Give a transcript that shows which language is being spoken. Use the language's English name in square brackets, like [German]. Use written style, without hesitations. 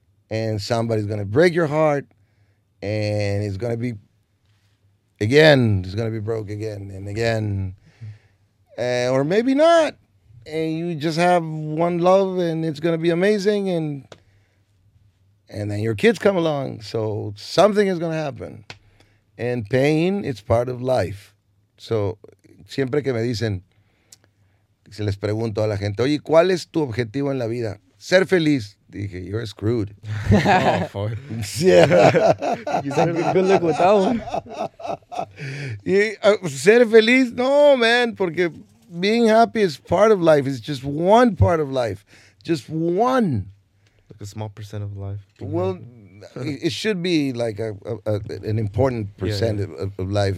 [English] And somebody's going to break your heart, and it's going to be, again, it's going to be broke again and again. Or maybe not. And you just have one love, and it's going to be amazing, and then your kids come along. So something is going to happen. And pain, it's part of life. [Spanish] So, siempre que me dicen, se les pregunto a la gente, oye, ¿cuál es tu objetivo en la vida? Ser feliz. Dije, [English] you're screwed. Oh, fuck. Yeah. You sound like a good look with that one. [Spanish] Y, ser feliz, no, man, porque [English] being happy is part of life. It's just one part of life. Just one. Like a small percent of life. Well, it should be like an important percent of life.